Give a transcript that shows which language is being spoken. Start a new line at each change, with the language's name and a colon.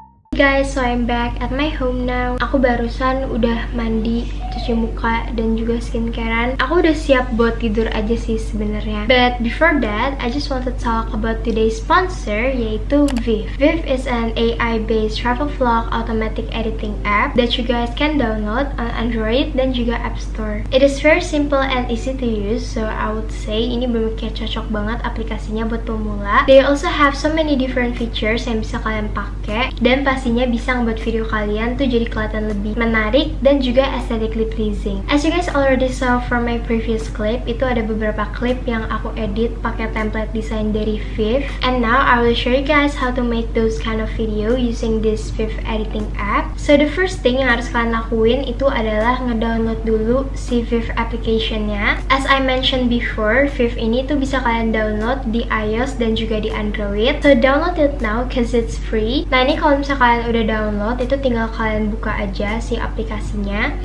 English: Guys, so I'm back at my home now.
Indonesian: Aku barusan udah mandi, cuci muka dan juga skincarean. Aku udah siap buat tidur aja sih sebenarnya.
English: But before that, I just wanted to talk about today's sponsor, yaitu Viv. Viv is an AI-based travel vlog automatic editing app that you guys can download on Android
Indonesian: dan juga
English: App Store. It is very simple and easy to use, so I would say
Indonesian: ini bener-bener cocok banget aplikasinya buat pemula.
English: They also have so many different features
Indonesian: yang bisa kalian pakai dan pastinya bisa ngebuat video kalian tuh jadi kelihatan lebih menarik dan juga
English: aesthetically pleasing. As you guys already saw from my previous clip,
Indonesian: itu ada beberapa clip yang aku edit pakai template desain dari Viv.
English: And now I will show you guys how to make those kind of video using this Viv editing app. So the first thing
Indonesian: yang harus kalian lakuin itu adalah ngedownload dulu si Viv application-nya.
English: As I mentioned before,
Indonesian: Viv ini tuh bisa kalian download di iOS dan juga di Android.
English: So download it now cause it's free.
Indonesian: Nah ini kalau misalnya kalian udah download, itu tinggal kalian buka aja si aplikasinya.